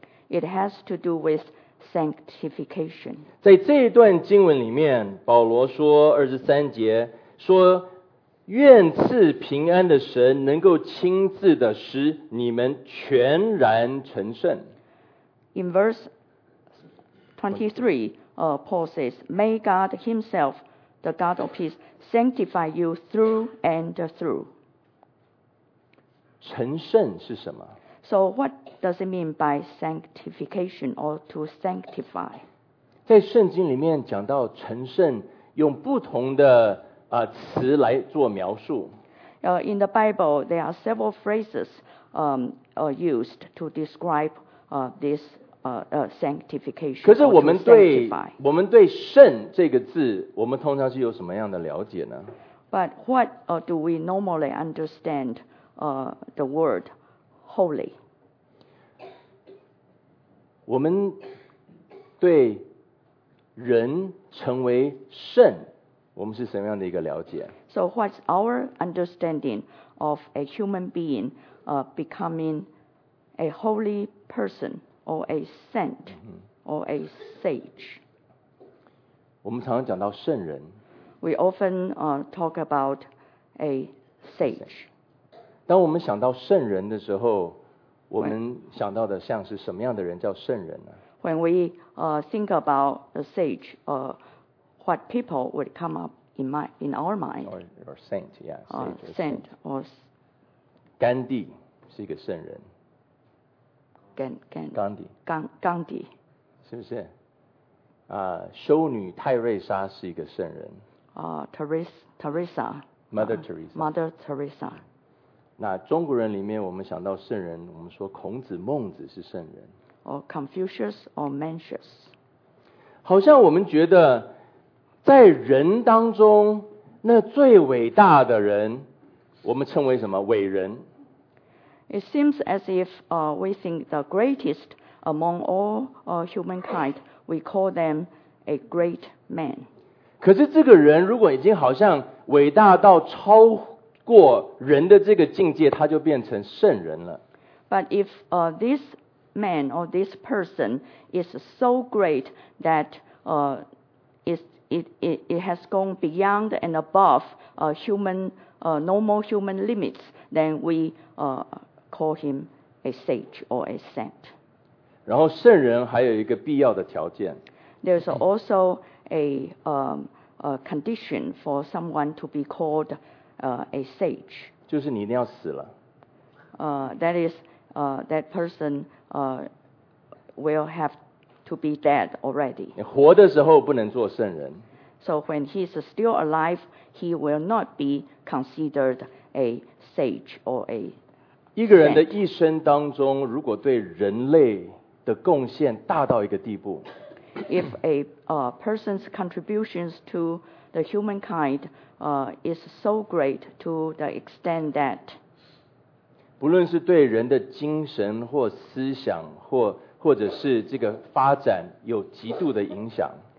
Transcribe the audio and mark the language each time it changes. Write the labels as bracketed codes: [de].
[en] It has to do with sanctification. [zh] 在这一段经文里面，保罗说二十三节说，愿赐平安的神能够亲自的使你们全然成圣。 [en] In verse 23, Paul says, May God Himself, the God of peace, sanctify you through and through. [zh] 成圣是什么？ [en] So what does it mean by sanctification or to sanctify? [zh] 在圣经里面讲到成圣，用不同的词来做描述。 [en] In the Bible, there are several phrases used to describe this sanctification. [zh] 可是我们对圣这个字，我们通常是有什么样的了解呢？ [en] But what do we normally understand the word holy? [zh] 我们对人成为圣，我们是什么样的一个了解？ [en] So what's our understanding of a human being becoming a holy person or a saint or a sage? [zh] 我们常常讲到圣人。 [en] We often talk about a sage. [zh] 当我们想到圣人的时候，我们想到的像是什么样的人叫圣人呢？ [en] When we think about the sage, what people would come up in our mind. Or saint, yeah. Sage or saint. [zh] Gandhi 是一个圣人。 [en] Gandhi. Gandhi. [zh] 是不是？修女泰瑞莎是一个圣人。 [en] Teresa. Mother Teresa. Mother Teresa. [zh] 那中国人里面我们想到圣人，我们说孔子、孟子是圣人。 [en] Or Confucius or Mencius. [zh] 好像我们觉得在人当中那最伟大的人我们称为什么？伟人。 [en] It seems as if we think the greatest among all humankind, we call them a great man. [zh] 可是这个人如果已经好像伟大到超过人的这个境界，他就变成圣人了。 [en] But if this man or this person is so great that it has gone beyond and above normal human limits, then we call him a sage or a saint. [zh] 然后圣人还有一个必要的条件。 [en] There's also a condition for someone to be called a sage. [zh] 就是你一定要死了。 [en] That is that person will have to be dead already. [zh] 你活的时候不能做圣人。 [en] So when he's still alive, he will not be considered a sage or a saint. [zh] 一个人的一生当中，如果对人类的贡献大到一个地步。 [en] If a person's contributions to the humankind is so great to the extent that [zh] 不论是对人的精神或思想 或者是这个发展有极度的影响